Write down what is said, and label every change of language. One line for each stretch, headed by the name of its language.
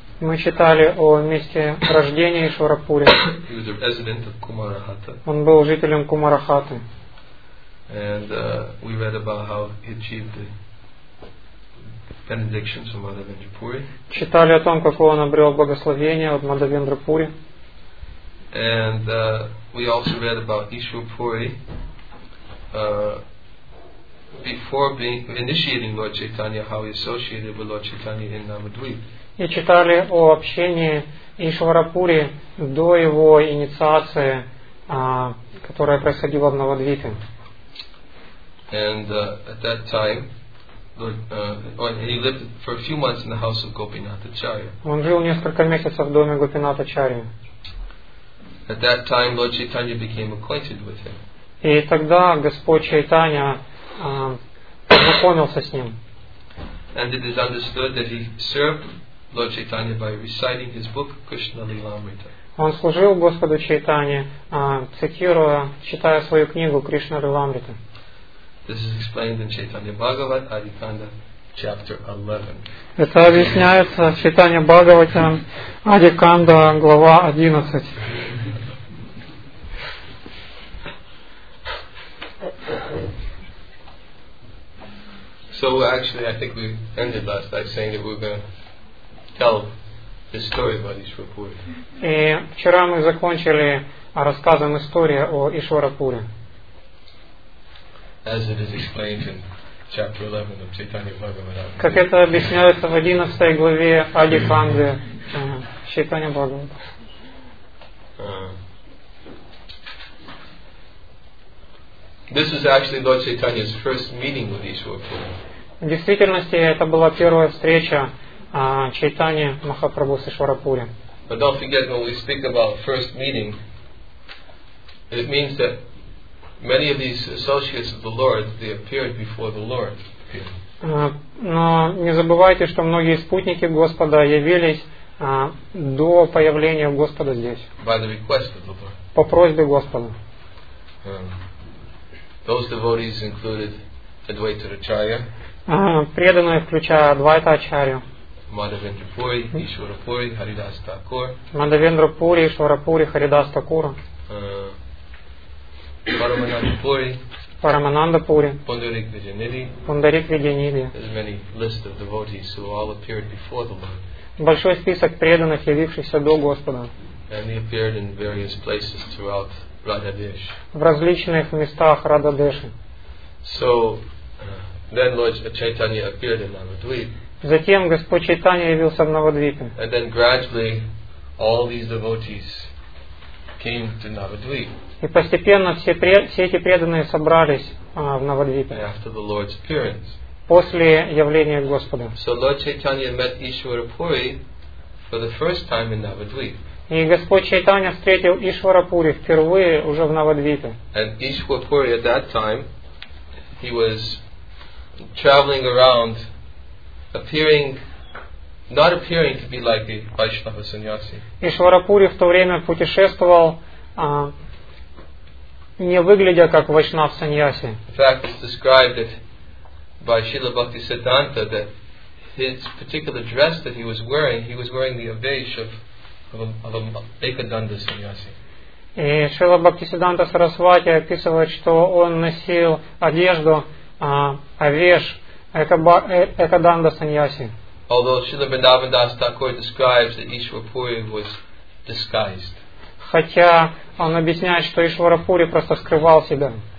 Russian: Мы читали о месте рождения Ишварапури.
English: He was a resident of Kumarahata.
Russian: Он был жителем Кумарахаты.
English: And we read about how he achieved the benedictions from Madhavendrapuri.
Russian: Читали о том, какое он обрел благословение от Мадхавендрапури.
English: And we also read about Ishwarpuri before initiating Lord Chaitanya, how he associated with Lord Chaitanya in Namadvip.
Russian: И читали о общении Ишварапури до его инициации, которая происходила в Навадвипе.
English: And at that time, he lived for a few months in the house of Gopinatha Charya.
Russian: Он жил несколько месяцев в доме Гопинатха Ачарьи.
English: At that time, Lord Chaitanya became acquainted with him.
Russian: И тогда Господь Чайтанья познакомился с ним.
English: And it is understood that he served Lord Chaitanya by reciting his book Krishna Lilamrita.
Russian: Он служил Господу Чайтанье, цитируя, читая свою книгу Кришна Лиламрита.
English: This is explained in Chaitanya Bhagavat, Adikanda, chapter 11.
Russian: Это объясняется в Чайтанье Бхагавате, Адиканда, глава 11.
English: So actually, I think we ended last night saying that we're going to tell the story about Ishwarapuri.
Russian: И вчера мы закончили рассказом история о Ишварапуре.
English: As it is explained in chapter 11 of Chaitanya Bhagavata.
Russian: Как это объясняется в 11 главе Адиканды Чайтанья Бхагавата.
English: This is actually Lord Chaitanya's first meeting with Ishwarapuri.
Russian: В действительности, это была первая встреча Чайтанья Махапрабху с Ишварапури.
English: But don't forget, when we speak about first meeting, it means that many of these associates of the Lord, they appeared before the Lord.
Russian: Но не забывайте, что многие спутники Господа явились до появления Господа здесь.
English: By the request of the Lord.
Russian: По просьбе Господа.
English: Those devotees included Advaita Acharya.
Russian: Преданные, включая Адвайта Ачарью, Мадхавендрапури, Ишварапури, Харидас Такур. Мадхавендрапури, Ишварапури, Харидас Такур. Парамананапури. Парамананапури. Пундарик Видьяниди. Пундарик Видьяниди.
English: There's many list of devotees who all appeared before the Lord.
Russian: Большой список преданных, явившихся до Господа.
English: And they appeared in various places throughout Радхадеш.
Russian: В различных местах Радхадеши.
English: So then Lord Chaitanya appeared in Navadvip.
Russian: Затем Господь Чайтанья явился в Навадвипе.
English: And then gradually all these devotees came to Navadvip.
Russian: И постепенно все эти преданные собрались в Навадвипе.
English: After the Lord's appearance.
Russian: После явления Господа.
English: So Lord Chaitanya met Ishwarapuri for the first time in Navadvip.
Russian: И Господь Чайтанья встретил Ишварапури впервые уже в Навадвипе.
English: And Ishwarapuri at that time he was traveling around, not appearing to be like the Vaishnava sannyasi.
Russian: Ишварапури в то время путешествовал, не выглядя как Вайшнав саньяси.
English: In fact, it's described that by Śrīla Bhaktisiddhānta that his particular dress that he was wearing the avesh of a Ekadanda sannyasi.
Russian: И Śrīla Bhaktisiddhānta Sarasvati описывает, что он носил одежду авеш Экаданда саньяси.
English: Although Śrīla Vṛndāvanadāsa Thakura describes that Ishwarapuri was disguised.
Russian: Хотя он объясняет, что Ишварапури просто скрывал себя.